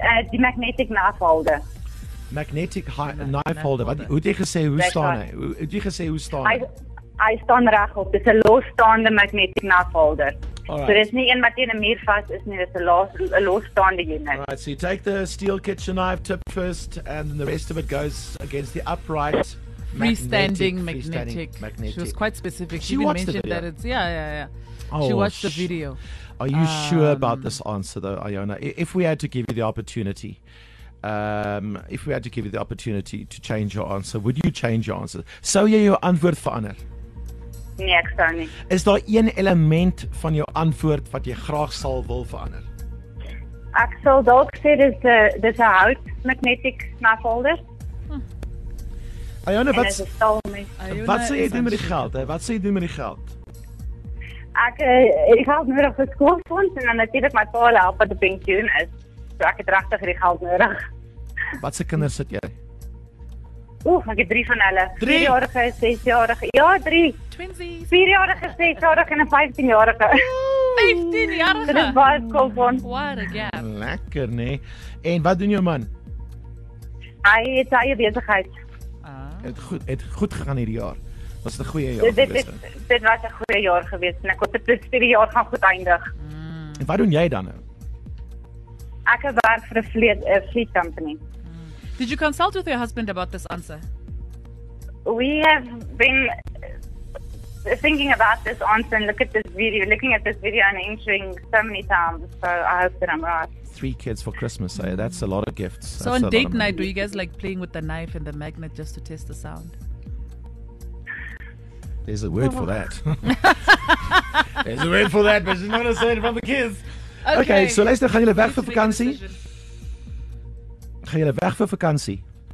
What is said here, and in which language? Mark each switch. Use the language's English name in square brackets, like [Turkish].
[Afrikaans] Die magnetic knife holder. [English] Magnetic knife holder. [Afrikaans] Wat, hoe het jy gesê, hoe staan hy? Hoe het jy gesê, hoe staan hy? Hy staan regop. Dit is 'n losstaande magnetic knife holder. [English] Right. [Afrikaans] So dit is nie een wat in 'n muur vas is nie, dit is 'n losstaande unit. [English] All right, so you take the steel kitchen knife tip first and then the rest of it goes against the upright freestanding magnetic. She was quite specific. She even mentioned that it's Oh, she watched the video. Are you sure about this answer though, Iona? If we had to give you the opportunity to change your answer, would you change your answer? So yeah, your [Afrikaans] antwoord verander. Nee, ek sal nie. Is daar een element van jou antwoord wat jy graag sal wil verander? Ek sal dalk sê dis 'n hout magnetic knife holder. Iona, wat sê jy doen met die geld? Ek het nodig vir skoolfonds en dan natuurlik my pa help wat op pensioen is. So ek het regtig die geld nodig. Wat se kinders het jy? Oeh, ek het 3 van hulle. 3? 4-jarige, 6-jarige. Ja, 3. Twinsies. 4-jarige, 6-jarige en 15-jarige. 15-jarige? Dit is baie skoolfonds. [English] What a gap. [Afrikaans] Lekker, nee. En wat doen jou man? Hy het sy eie besigheid. Het goed gegaan hierdie jaar. Was dit 'n goeie jaar geweest? Dit was 'n goeie jaar geweest en ek hoop dit hierdie jaar gaan goed eindig. En wat doen jy dan? Ek werk vir 'n fleet company. [English] Did you consult with your husband about this answer? We have been thinking about this answer and looking at this video and answering so many times, so I hope that I'm right. 3 kids for Christmas, that's a lot of gifts. So on date night, were you guys like playing with the knife and the magnet just to test the sound? There's a word for that. There's a word for that, but she's not going to say it in front of the kids. Okay, [Afrikaans] so luister, gaan jullie weg voor vakantie? Gaan jullie weg voor vakantie?